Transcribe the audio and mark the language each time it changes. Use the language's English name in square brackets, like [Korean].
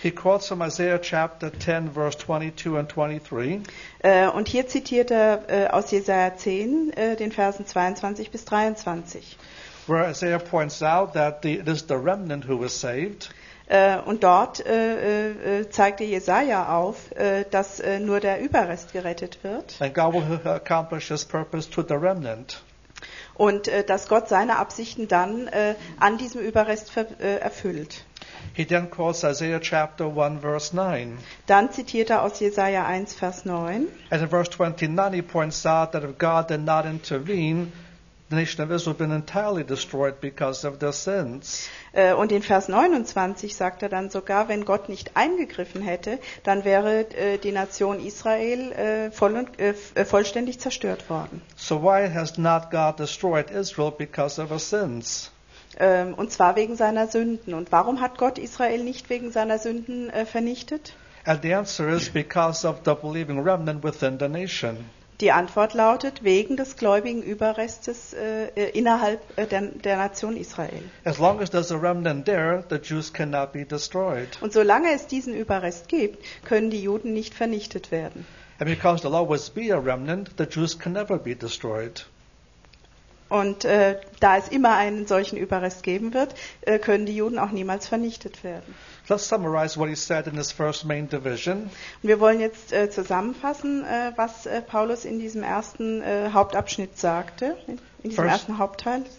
[English] He quotes from Isaiah chapter 10, verse 22 and 23. [German] Und hier zitiert er aus Jesaja 10, den Versen 22 bis 23. [English] Where Isaiah points out that it is the remnant who was saved. [German] Und dort zeigte Jesaja auf, dass nur der Überrest gerettet wird. [English] And God will accomplish his purpose to the remnant. [German] Und dass Gott seine Absichten dann an diesem Überrest erfüllt. [English] He then quotes Isaiah chapter 1, verse 9. [German] Dann zitiert er aus Jesaja 1, Vers 9. [English] And in verse 29 he points out that if God did not intervene, the nation of Israel has been entirely destroyed because of their sins. [German] Und in Vers 29 sagt er dann sogar, wenn Gott nicht eingegriffen hätte, dann wäre die Nation Israel vollständig zerstört worden. [English] So why has not God destroyed Israel because of her sins? [German] Und zwar wegen seiner Sünden. Und warum hat Gott Israel nicht wegen seiner Sünden vernichtet? [English] And the answer is because of the believing remnant within the nation. [German] Die Antwort lautet, wegen des gläubigen Überrestes innerhalb der Nation Israel. [English] As long as there's a remnant there, the Jews cannot be destroyed. [German] Und solange es diesen Überrest gibt, können die Juden nicht vernichtet werden. [English] And because there'll always be a remnant, the Jews can never be destroyed. [German] Und da es immer einen solchen Überrest geben wird, können die Juden auch niemals vernichtet werden. [English] Let's summarize what he said in his first main division. [German] Und wir wollen jetzt zusammenfassen, was Paulus in diesem ersten Hauptabschnitt sagte, in diesem ersten Hauptteil.